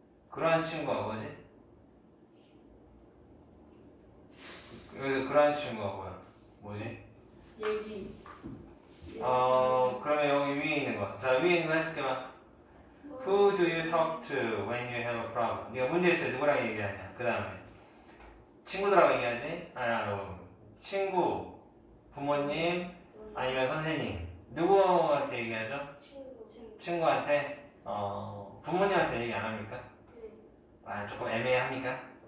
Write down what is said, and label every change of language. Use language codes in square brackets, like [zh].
[ko] 그러한 친구가 뭐지? 여기서 그러한 친구가 뭐야? 뭐지? 얘기. 그러면 여기 위에 있는 거. 자, 위에 있는 거 해줄게요. [en] Who do you talk to when you have a problem? [ko] 네가 문제 있어요. 누구랑 얘기하냐. 그 다음에 친구들하고 얘기하지? 아니, 친구, 부모님, 아니면 선생님. 누구한테 얘기하죠? 친구한테? 부모님한테 얘기 안 합니까? 네. 아, 조금 애매합니까?